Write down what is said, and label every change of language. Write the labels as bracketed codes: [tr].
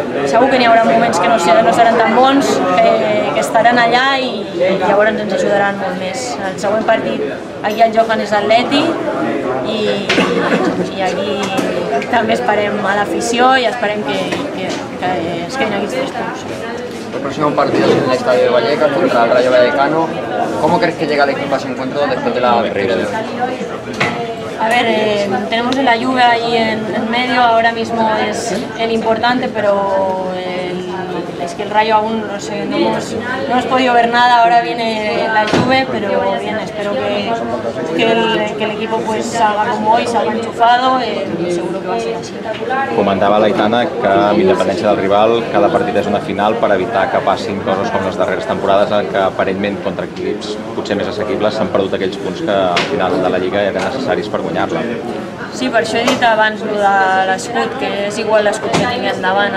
[ca] Segur que n'hi haurà moments que no seran tan bons, que estaran allà i llavors ens ajudaran molt més. El següent partit, aquí el Johan és l'Atleti i aquí també esperem a l'afició i esperem que es quedin aquí tres punts. [es] El próximo partido es en el Estadio de Vallecas contra el Rayo Vallecano. ¿Cómo crees que llega el equipo a ese encuentro después de la victoria de hoy? A ver, tenemos la Juve ahí en medio, ahora mismo es el importante, pero es que el Rayo aún no hemos podido ver nada, ahora viene la Juve, pero bien, espero que el equipo pues salga como hoy, salga enchufado, seguro que va a ser así. [ca] Comentava l'Aitana que amb independència del rival cada partit és una final per evitar que passin coses com les darreres temporades en què aparentment contra equips potser més assequibles s'han perdut aquells punts que al final de la Lliga eren necessaris per guanyar-la. Sí, per això he dit abans el de l'escut, que és igual l'escut que tingui endavant.